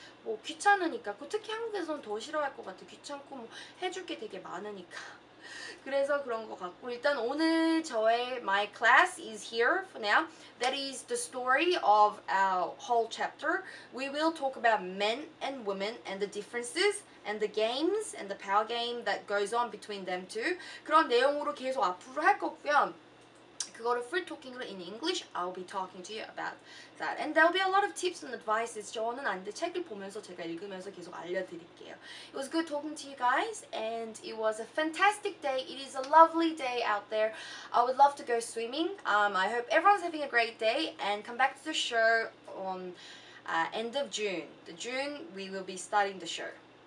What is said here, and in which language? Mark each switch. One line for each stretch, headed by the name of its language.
Korean: 뭐 귀찮으니까 특히 한국에서는 더 싫어할 것 같아 귀찮고 뭐 해줄 게 되게 많으니까 그래서 그런 것 같고 일단 오늘 저의
English: my class is here for now. That is the story of our whole chapter. We will talk about men and women and the differences and the games and the power game that goes on between them two.
Korean: 그런 내용으로 계속 앞으로 할 거고요. 그거를
English: free talking으로 in English, I'll be talking to you about that. And there'll be a lot of tips and advices.
Korean: 저는 아닌데 책을 보면서 제가 읽으면서 계속 알려드릴게요.
English: It was good talking to you guys, and it was a fantastic day. It is a lovely day out there. I would love to go swimming. I hope everyone's having a great day, and come back to the show on end of June. The June, we will be starting the show.